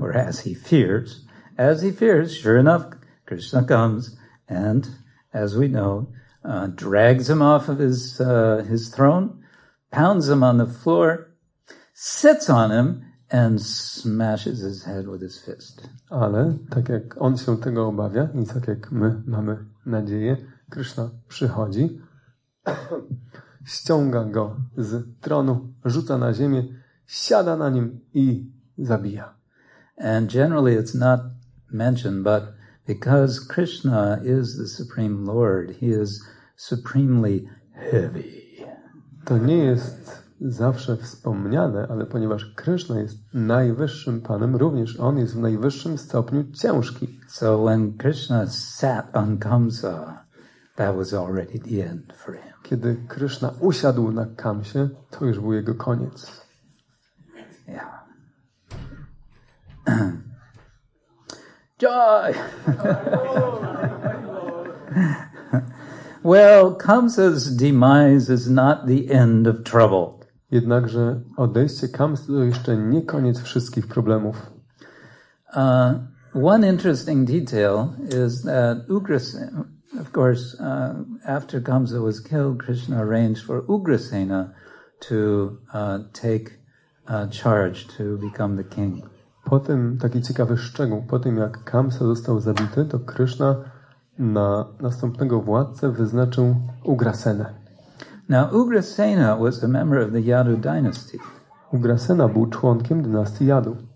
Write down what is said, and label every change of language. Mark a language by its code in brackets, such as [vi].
[en] or as he fears, sure enough, Krishna comes and, as we know, drags him off of his throne, pounds him on the floor, sits on him, and smashes his head with his fist. [pl] Ale tak jak on się tego obawia i tak jak my mamy nadzieję, Krishna przychodzi, ściąga go z tronu, rzuca na ziemię, siada na nim i zabija. [en] And generally it's not mentioned, but because Krishna is the Supreme Lord, he is supremely heavy. [pl] To nie jest zawsze wspomniane, ale ponieważ Krishna jest najwyższym panem, również on jest w najwyższym stopniu ciężki. [en] So when Krishna sat on Kamsa, that was already the end for him. [pl] Kiedy Krishna usiadł na Kamsie, to już był jego koniec. [en] Yeah. Joy! Well, Kamsa's demise is not the end of trouble. [pl] Jednakże odejście Kamsy to jeszcze nie koniec wszystkich problemów. [en] One interesting detail is that Ugrasena, of course, after Kamsa was killed, Krishna arranged for Ugrasena to take charge, to become the king. [pl] Potem taki ciekawy szczegół, po tym jak Kamsa został zabity, to Krishna na następnego władcę wyznaczył Ugrasenę. [en] Now Ugrasena was a member of the Yadu dynasty. [pl] Ugrasena był członkiem dynastii Yadu.